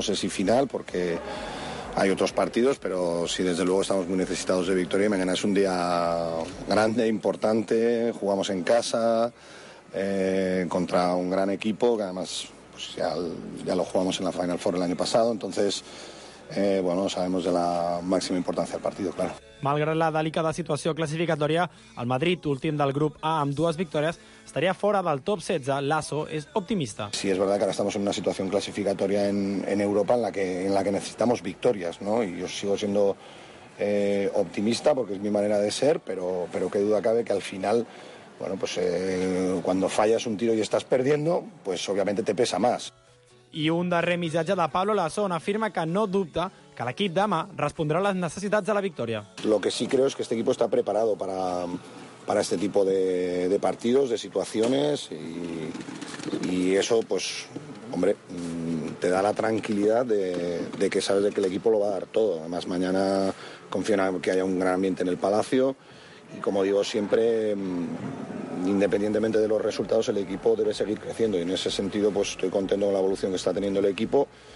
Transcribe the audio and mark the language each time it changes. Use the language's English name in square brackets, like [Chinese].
[Spanish] No sé si final, porque hay otros partidos, pero sí, desde luego estamos muy necesitados de victoria. Y mañana es un día grande, importante. Jugamos en casa contra un gran equipo, que además pues ya lo jugamos en la Final Four el año pasado. Entonces, sabemos de la máxima importancia del partido, claro. [Catalan] Malgrat la delicada situació classificatòria, el Madrid, últim del grup A amb dues victòries, estaria fora del top 16. Lasso és optimista. [Spanish] Sí, es verdad que ahora estamos en una situación clasificatoria en Europa en la que necesitamos victorias, ¿no? Y yo sigo siendo optimista porque es mi manera de ser, pero qué duda cabe que al final, cuando fallas un tiro y estás perdiendo, pues obviamente te pesa más. [Catalan] I un darrer missatge de Pablo Lasso afirma que no dubta que l'equip demà respondrà a les necessitats de la victòria. [Spanish] Lo que sí creo es que este equipo está preparado para este tipo de partidos, de situaciones, y eso, pues, hombre, te da la tranquilidad de que sabes de que el equipo lo va a dar todo. Además, mañana confío en que haya un gran ambiente en el Palacio, y como digo siempre, independientemente de los resultados, el equipo debe seguir creciendo, y en ese sentido, pues, estoy contento con la evolución que está teniendo el equipo.